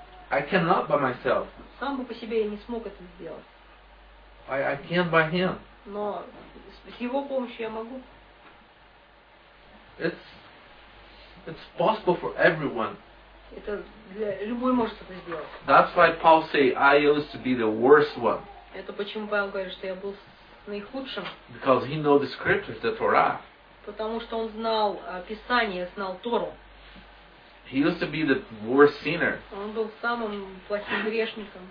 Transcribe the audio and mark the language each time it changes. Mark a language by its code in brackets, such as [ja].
[en] I cannot by myself. [ru] Сам бы по себе я не смог это сделать. [en] I can by him. [ru] Но с его помощью я могу. [en] It's possible for everyone. [ru] Это для любой может это сделать. [en] That's why Paul say I used to be the worst one. [ru] Это почему Павел говорит, что я был наихудшим? [en] Because he know the scriptures, the Torah. [ru] Потому что он знал Писание, знал Тору. [en] He used to be the worst sinner. [ru] Он был самым плохим грешником.